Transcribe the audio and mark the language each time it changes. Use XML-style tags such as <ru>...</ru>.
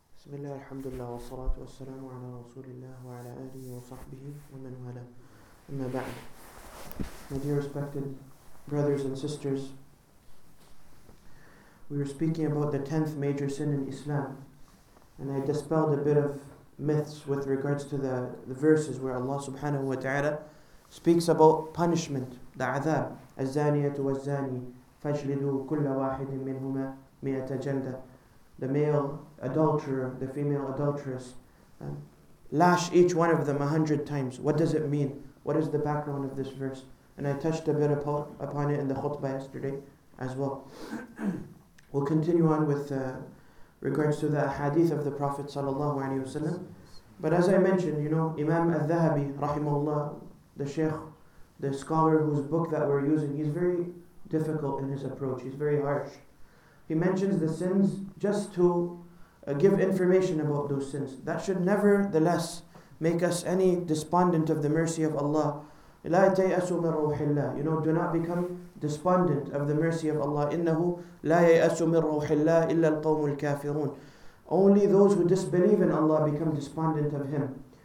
<ar>بسم الله الحمد لله والصلاة والسلام على رسول الله وعلى آله وصحبه ومن والاه أما بعد.</ar> <en>My dear respected brothers and sisters, we were speaking about the 10th major sin in Islam, and I dispelled a bit of myths with regards to the verses where Allah subhanahu wa ta'ala speaks about punishment, the azab.</en> <ar>الزانية والزاني فاجلدوا كل واحد منهما مئة جلدة.</ar> <en>The male adulterer, the female adulteress, lash each one of them 100 times. What does it mean? What is the background of this verse? And I touched a bit upon it in the khutbah yesterday as well. We'll continue on with regards to the hadith of the Prophet sallallahu alaihi wasallam. But as I mentioned, you know, Imam al-Dhahabi rahimahullah, the sheikh, the scholar whose book that we're using, he's very difficult in his approach, he's very harsh. He mentions the sins just to give information about those sins. That should nevertheless make us any despondent of the mercy of Allah.</en> <ar>لا تيأسوا من روح الله.</ar> <en>You know, do not become despondent of the mercy of Allah.</en> <ar>إنه لا ييأسوا من روح الله إلا القوم الكافرون.</ar> <en>Only those who disbelieve in Allah become despondent of Him.</en>